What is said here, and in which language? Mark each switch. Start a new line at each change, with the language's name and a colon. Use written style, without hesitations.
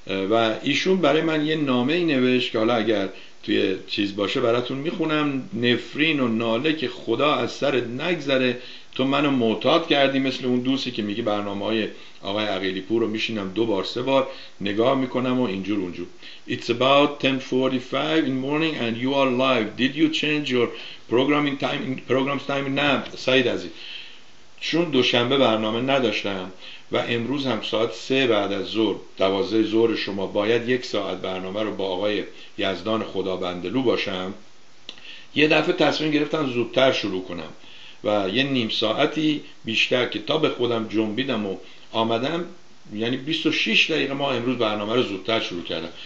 Persian: و ایشون برای من یه نامه ای نوشت که حالا اگر توی چیز باشه براتون میخونم. نفرین و ناله که خدا از سرت نگذره، تو منو معتاد کردی، مثل اون دوستی که میگه برنامه های آقای عقیلی پور رو میشینم 2 بار 3 بار نگاه میکنم و اینجور اونجور.
English: It's about 10:45 in morning and you are live. Did you change your programs time?
Persian: نه سعید عزیز، چون دوشنبه برنامه نداشتم و امروز هم ساعت 3 بعد از ظهر 12 ظهر شما باید 1 ساعت برنامه رو با آقای یزدان خدا بندلو باشم، یه دفعه تصمیم گرفتم زودتر شروع کنم و یه نیم ساعتی بیشتر که تا به خودم جنبیدم و آمدم، یعنی 26 دقیقه ما امروز برنامه رو زودتر شروع کردم.